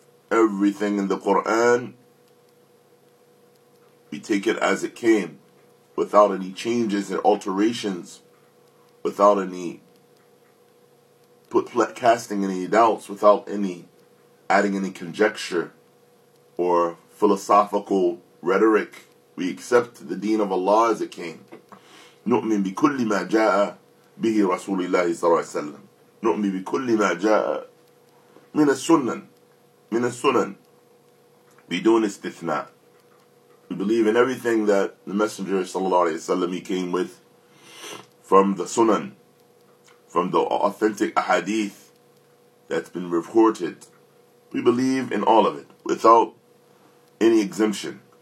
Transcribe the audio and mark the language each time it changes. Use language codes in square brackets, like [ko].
[en] Everything in the Qur'an, we take it as it came, without any changes and alterations, without any casting any doubts, without any adding any conjecture or philosophical rhetoric. We accept the deen of Allah as it came. [ar] نؤمن بكل ما جاء به رسول الله صلى الله عليه وسلم. نؤمن بكل ما جاء من السنن بدون استثناء. [en] We believe in everything that the Messenger sallallahu alayhi wa sallam, he came with from the Sunan, from the authentic ahadith that's been reported. We believe in all of it without any exemption.